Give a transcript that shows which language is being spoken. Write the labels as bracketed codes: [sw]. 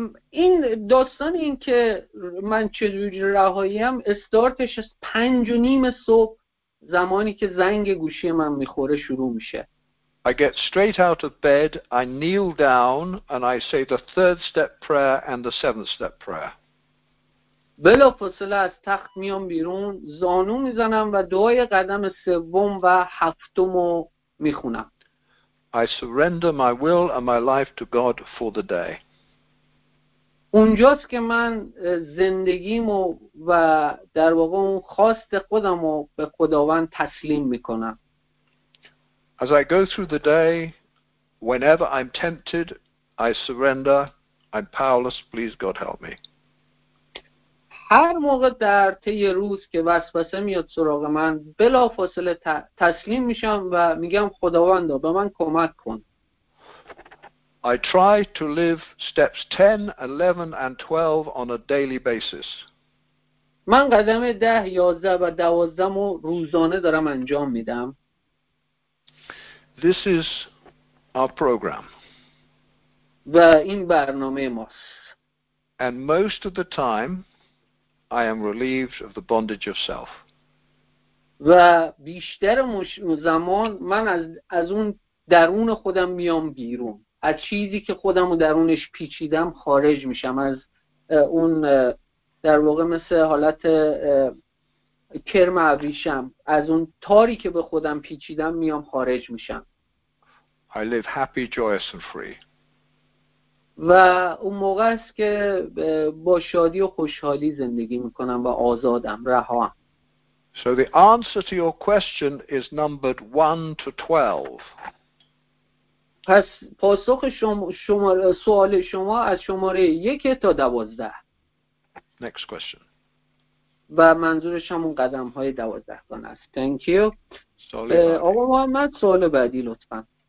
[fa] این داستان این که من چجوری رهاییم استارتش از 5:30 صبح زمانی که زنگ گوشی من میخوره شروع میشه. [en] I get straight out of bed, I kneel down and I say the third step prayer and the seventh step prayer. [fa] بلا فاصله از تخت میام بیرون، زانو میزنم و دعای قدم سوم و هفتم رو میخونم. [en] I surrender my will and my life to God for the day. [fa] اونجاست که من زندگیمو و در واقع اون خواست خودمو به خداوند تسلیم میکنم. [en] As I go through the day, whenever I'm tempted, I surrender. I'm powerless. Please God help me. [fa] هر موقع در طی روز که وسوسه میاد سراغ من بلا فاصله تسلیم میشم و میگم خداوند به من کمک کن. [en] I try to live steps 10, 11 and 12 on a daily basis. [fa] من قدم 10, 11 و 12 رو روزانه دارم انجام میدم. [en] This is our program. [fa] و این برنامه ماست. [en] And most of the time I am relieved of the bondage of self. [fa] و بیشتر زمان من از اون درون خودم میام بیرون. از چیزی که خودمو درونش پیچیدم خارج میشم، از اون در واقع مثل حالت کرم ابریشم، از اون تاری که به خودم پیچیدم میام خارج میشم. [en] I live happy, joyous and free. [fa] و اون موقع است که با شادی و خوشحالی زندگی میکنم و آزادم، رهام. [en] So the answer to your question is numbered 1 to 12. [fa] پس پاسخ سوال شما از شماره 1 تا 12. [en] Next question. [fa] و منظورش همون قدم های 12 گانه است. [en] Thank you. [fa] آقا محمد سوال بعدی لطفا.